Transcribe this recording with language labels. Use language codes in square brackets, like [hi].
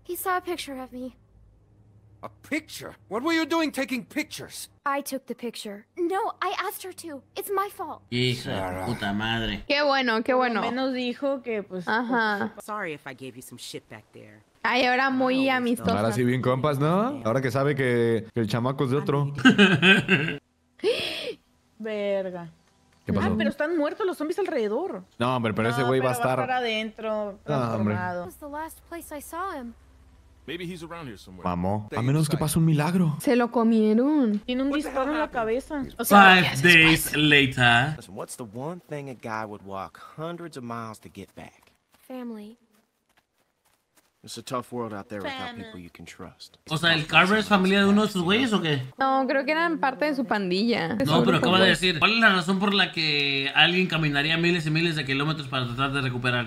[en] He saw a picture of me. A picture? What were you doing taking pictures? I took the picture. No, I asked her to. It's my fault. [es] Hija de puta madre. Qué bueno, qué bueno. Al menos dijo que pues. Ajá. [en] Sorry if I gave you some shit back there. [es] Ay, ahora muy amistosa. Ahora sí bien compas, ¿no? Ahora que sabe que el chamaco es de otro. Verga. ¿Qué pasó? Ah, pero están muertos los zombies alrededor. No, hombre, pero no, ese güey va a estar adentro. Ah, hombre. [en] Was the last place I saw him. Maybe he's around here somewhere. Mamó. [es] A menos que pase un milagro. Se lo comieron. Tiene un disparo en la cabeza. O sea, [en] 5 days later. Listen, what's the one thing a guy would walk hundreds of miles to get back? Family. It's a tough world out there without people you can trust. [es] O sea, ¿el Carver es familia de uno de sus güeyes o qué? No, creo que eran parte de su pandilla. No, pero acaba de decir. ¿Cuál es la razón por la que alguien caminaría miles y miles de kilómetros para tratar de recuperar?